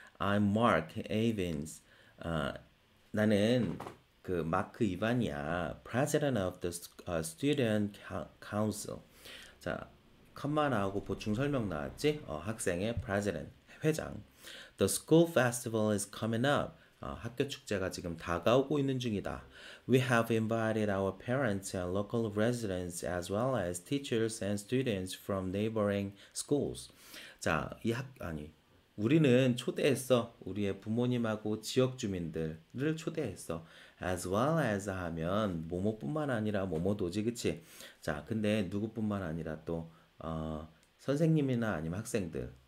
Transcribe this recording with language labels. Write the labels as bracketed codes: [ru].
[en] I'm Mark Evans. [ko] 나는 그 마크 이반이야. [en] President of the Student Council. [ko] 자, 컴마 나오고 보충 설명 나왔지? 학생의 President, 회장. [en] The school festival is coming up. [ko] 학교 축제가 지금 다가오고 있는 중이다. [en] We have invited our parents and local residents as well as teachers and students from neighboring schools. [ko] 자, 이 학, 아니, 우리는 초대했어. 우리의 부모님하고 지역 주민들을 초대했어. As well as 하면 뭐뭐뿐만 아니라 뭐뭐도지, 그치? 자, 근데 누구뿐만 아니라 또 선생님이나 아니면 학생들.